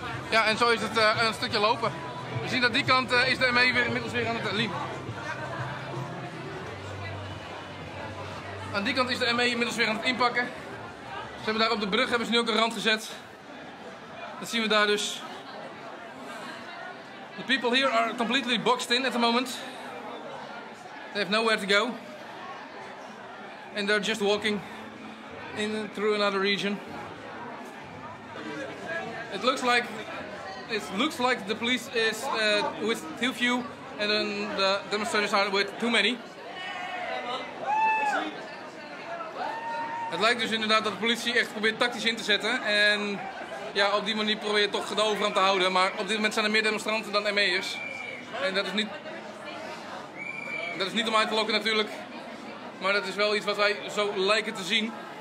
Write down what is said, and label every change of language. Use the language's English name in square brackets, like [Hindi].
[Dutch] Ja, en zo is het een stukje lopen. We zien dat die kant is de ME inmiddels weer aan het liep. Aan die kant is de ME inmiddels weer aan het inpakken. Ze hebben daar op de brug hebben ze nu ook een rand gezet. Dat zien we daar dus. [English] The people here are completely boxed in at the moment. They have nowhere to go. And they're just walking in through another region. It looks like the police is with too few and then the demonstrators are with too many. [Dutch] Het lijkt dus inderdaad dat de politie echt probeert tactisch in te zetten en ja, op die manier probeer je toch de overhand te houden, maar op dit moment zijn er meer demonstranten dan ME'ers. En dat is niet om uit te lokken natuurlijk, maar dat is wel iets wat wij zo lijken te zien.